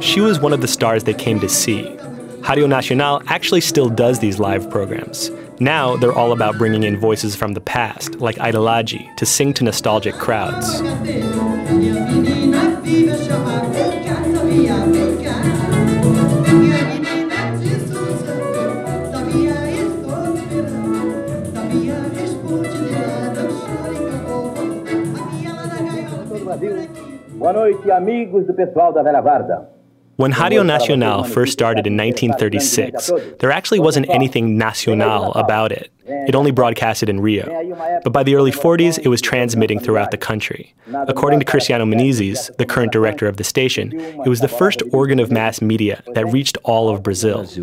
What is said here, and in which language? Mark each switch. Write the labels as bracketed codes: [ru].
[en] She was one of the stars they came to see. Rádio Nacional actually still does these live programs. Now, they're all about bringing in voices from the past, like Idolaji, to sing to nostalgic crowds. [pt] Boa noite, amigos do pessoal da Velha Guarda. [en] When Rádio Nacional first started in 1936, there actually wasn't anything nacional about it. It only broadcasted in Rio, but by the early 40s, it was transmitting throughout the country. According to Cristiano Menezes, the current director of the station, it was the first organ of mass media that reached all of Brazil.